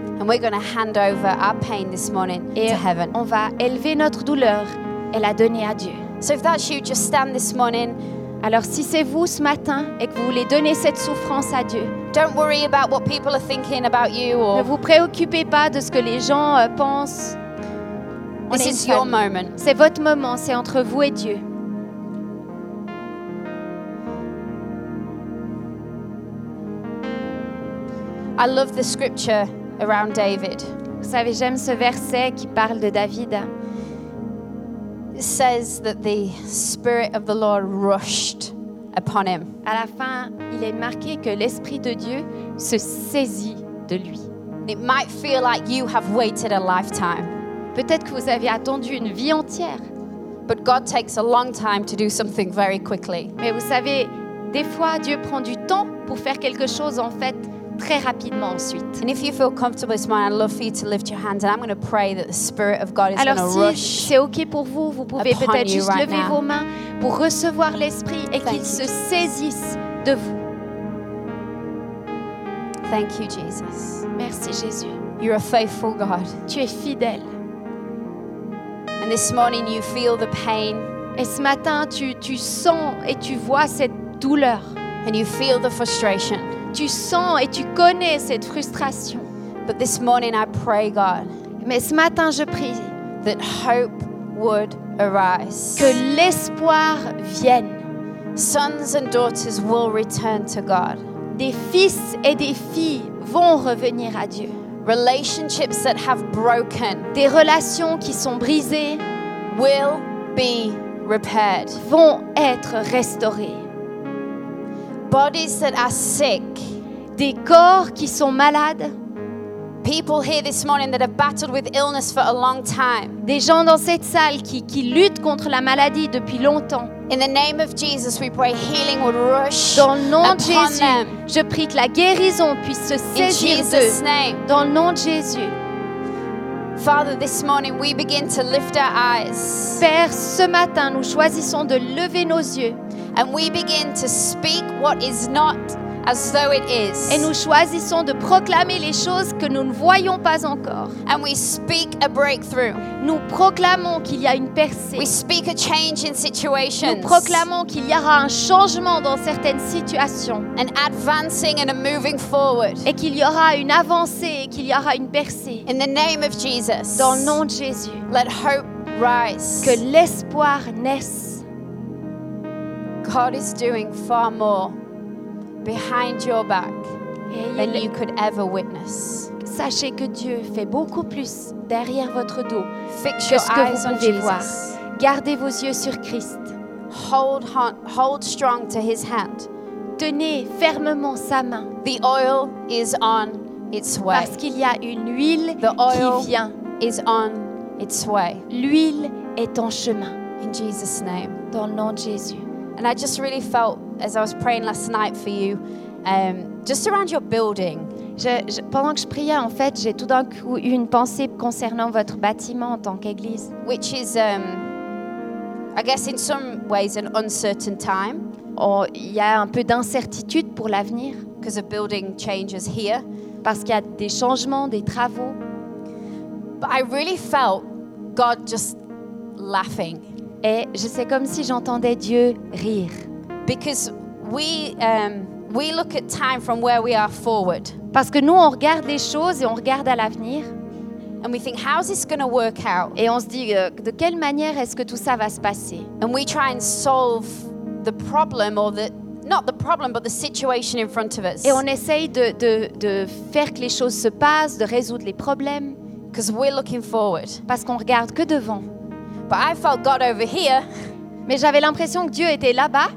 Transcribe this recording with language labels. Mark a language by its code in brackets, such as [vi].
[en] And we're going to hand over our pain this morning [fr] et [en] to heaven. [fr] On va élever notre douleur et la donner à Dieu. [en] So if that's you, just stand this morning. [fr] Alors si c'est vous ce matin et que vous voulez donner cette souffrance à Dieu. [en] Don't worry about what people are thinking about you. Or... [fr] Ne vous préoccupez pas de ce que les gens pensent. [en] This is your moment. [fr] C'est votre moment, c'est entre vous et Dieu. [en] I love the scripture around David. [fr] Vous savez, j'aime ce verset qui parle de David. [en] It says that the Spirit of the Lord rushed upon him. [fr] À la fin, il est marqué que l'Esprit de Dieu se saisit de lui. [en] It might feel like you have waited a lifetime. [fr] Peut-être que vous avez attendu une vie entière. [en] But God takes a long time to do something very quickly. [fr] Mais vous savez, des fois Dieu prend du temps pour faire quelque chose en fait très rapidement ensuite. [en] And if you feel comfortable this morning, I'd love for you to lift your hands and I'm going to pray that the Spirit of God is going to rush. [fr] Alors si c'est OK pour vous, vous pouvez peut-être juste lever vos mains pour recevoir l'Esprit et qu'il se saisisse de vous. [en] Thank you Jesus. [fr] Merci Jésus. [en] You're a faithful God. [fr] Tu es fidèle. [en] And this morning you feel the pain. [fr] Et ce matin tu sens et tu vois cette douleur. [en] And you feel the frustration. [fr] Tu sens et tu connais cette frustration. [en] But this morning I pray God. [fr] Mais ce matin je prie [en] that hope would arise. [fr] Que l'espoir vienne. [en] Sons and daughters will return to God. [fr] Des fils et des filles vont revenir à Dieu. [en] Relationships that have broken, [fr] des relations qui sont brisées, [en] will be repaired, [fr] vont être restaurées. [en] Bodies that are sick, [fr] des corps qui sont malades, [en] people here this morning that have battled with illness for a long time, [fr] des gens dans cette salle qui luttent contre la maladie depuis longtemps. [en] In the name of Jesus, we pray healing would rush. [fr] Dans le nom [en] upon [fr] de Jésus, [en] them. [fr] Je prie que la guérison puisse se saisir [en] in Jesus name. [fr] Dans le nom de Jésus. [en] Father, this morning we begin to lift our eyes. [fr] Père, ce matin nous choisissons de lever nos yeux. [en] And we begin to speak what is not as though it is. [fr] Et nous choisissons de proclamer les choses que nous ne voyons pas encore. [en] And we speak a breakthrough. [fr] Nous proclamons qu'il y a une percée. [en] We speak a change in situations. [fr] Nous proclamons qu'il y aura un changement dans certaines situations. [en] And advancing and a moving forward. [fr] Et qu'il y aura une avancée et qu'il y aura une percée. [en] In the name of Jesus. [fr] Dans le nom de Jésus. [en] Let hope rise. [fr] Que l'espoir naisse. [en] God is doing far more behind your back than you could ever witness. [fr] Sachez que Dieu fait beaucoup plus derrière votre dos. [en] Fix [fr] que ce [en] your [fr] que [en] eyes [fr] vous pouvez voir. Gardez vos yeux sur Christ. [en] Hold strong to his hand. [fr] Tenez fermement sa main. [en] The oil is on its way. [fr] Parce qu'il y a une huile [en] the oil [fr] qui vient. [en] Is on its way. [fr] L'huile est en chemin. [en] In Jesus name. [fr] Dans le nom de Jésus. [en] And I just really felt as I was praying last night for you, just around your building. [fr] Pendant que je priais, en fait, j'ai tout d'un coup eu une pensée concernant votre bâtiment en tant qu'église. [en] Which is, I guess, in some ways, an uncertain time. [fr] Il y a un peu d'incertitude pour l'avenir. [en] Because of building changes here. [fr] Parce qu'il y a des changements, des travaux. [en] But I really felt God just laughing. [fr] Et je sais comme si j'entendais Dieu rire. [en] Because we look at time from where we are forward. [fr] Parce que nous on regarde les choses et on regarde à l'avenir. [en] And we think how is this going to work out? [fr] Et on se dit de quelle manière est-ce que tout ça va se passer? [en] And we try and solve the problem or the not the problem but the situation in front of us. [fr] Et on essaye de faire que les choses se passent, de résoudre les problèmes. [en] Because we're looking forward. [fr] Parce qu'on regarde que devant. [en] But I felt God over here. [fr] Mais j'avais l'impression que Dieu était là-bas.